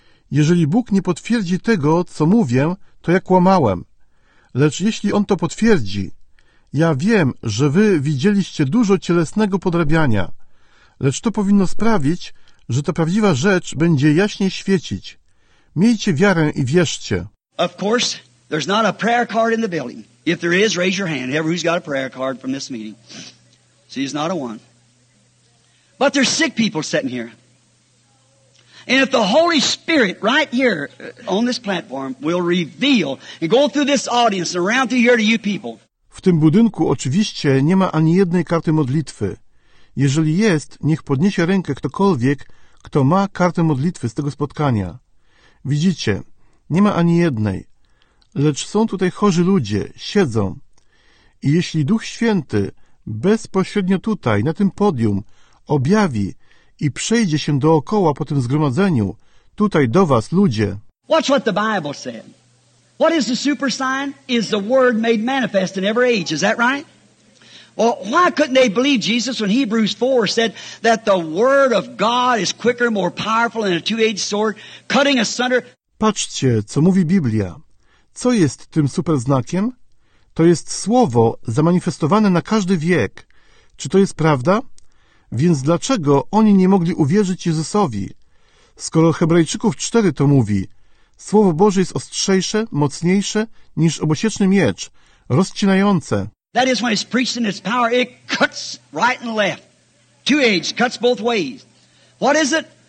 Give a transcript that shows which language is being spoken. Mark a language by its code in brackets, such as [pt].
[pl] Jeżeli Bóg nie potwierdzi tego, co mówię, to ja kłamałem. Lecz jeśli On to potwierdzi, ja wiem, że wy widzieliście dużo cielesnego podrabiania, lecz to powinno sprawić, że ta prawdziwa rzecz będzie jaśniej świecić. Miejcie wiarę i wierzcie. [en] Of course, there's not a prayer card in the building. If there is, raise your hand. Everybody's got a prayer card from this meeting. See, it's not a one. But there's sick people sitting here. And if the Holy Spirit right here on this platform will reveal and go through this audience and around through here to you people. [pl] W tym budynku oczywiście nie ma ani jednej karty modlitwy. Jeżeli jest, niech podniesie rękę ktokolwiek, kto ma kartę modlitwy z tego spotkania. Widzicie, nie ma ani jednej. Lecz są tutaj chorzy ludzie, siedzą. I jeśli Duch Święty bezpośrednio tutaj, na tym podium, objawi i przejdzie się dookoła po tym zgromadzeniu, tutaj do was, ludzie. [en] Watch what the Bible said. What is the super sign? Is the word made manifest in every age, is that right? Well, why couldn't they believe Jesus when Hebrews 4 said that the word of God is quicker, more powerful than a two-edged sword, cutting asunder? [pl] Patrzcie, co mówi Biblia. Co jest tym superznakiem? To jest słowo zamanifestowane na każdy wiek. Czy to jest prawda? Więc dlaczego oni nie mogli uwierzyć Jezusowi? Skoro Hebrajczyków 4 to mówi, słowo Boże jest ostrzejsze, mocniejsze niż obosieczny miecz, rozcinające. [en] That is when it's preached in its power, it cuts right and left. Two-edged, cuts both ways. What is it?